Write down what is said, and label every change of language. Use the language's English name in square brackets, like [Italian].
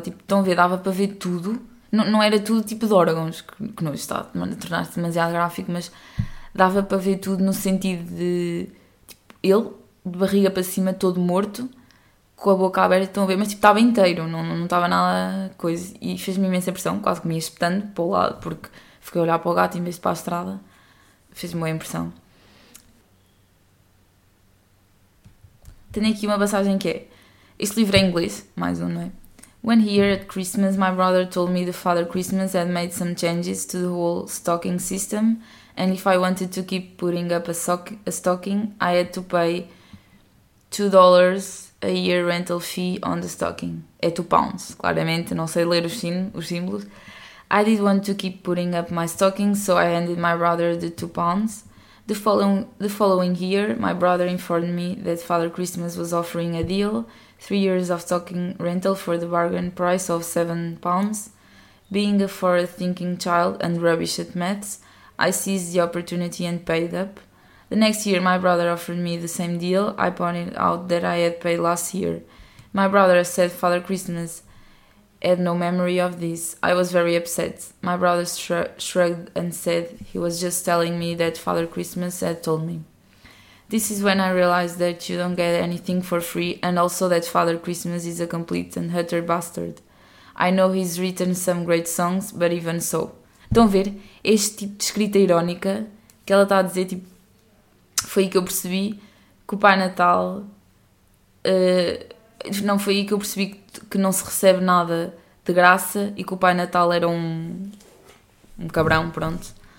[Portuguese] Tipo, estão a ver, dava para ver tudo. Não, não era tudo tipo de órgãos, que não está a tornar-se demasiado gráfico, mas dava para ver tudo no sentido de, tipo, ele, de barriga para cima, todo morto, com a boca aberta, estão a ver, mas tipo, estava inteiro, não estava nada coisa. E fez-me imensa impressão, quase que me ia espetando para o lado, porque fiquei a olhar para o gato em vez de para a estrada. Fez-me boa impressão. Tenho aqui uma passagem que é, este livro é em inglês, mais um, não é? [English] When here at Christmas, my brother told me the Father Christmas had made some changes to the whole stocking system, and if I wanted to keep putting up a stocking, I had to pay $2 a year rental fee on the stocking. [Portuguese] É £2, claramente, não sei ler os símbolos. [English] I did want to keep putting up my stocking, so I handed my brother the £2. The following year, my brother informed me that Father Christmas was offering a deal, 3 years of stocking rental for the bargain price of £7. Being a forward-thinking child and rubbish at maths, I seized the opportunity and paid up. The next year, my brother offered me the same deal. I pointed out that I had paid last year. My brother said Father Christmas had no memory of this. I was very upset. My brother shrugged and said he was just telling me that Father Christmas had told me. This is when I realized that you don't get anything for free, and also that Father Christmas is a complete and utter bastard. I know he's written some great songs, but even so. [Portuguese] Estão a ver? Este tipo de escrita irónica que ela está a dizer, tipo, foi aí que eu percebi que o Pai Natal não foi aí que eu percebi que não se recebe nada de graça e que o Pai Natal era um cabrão, pronto.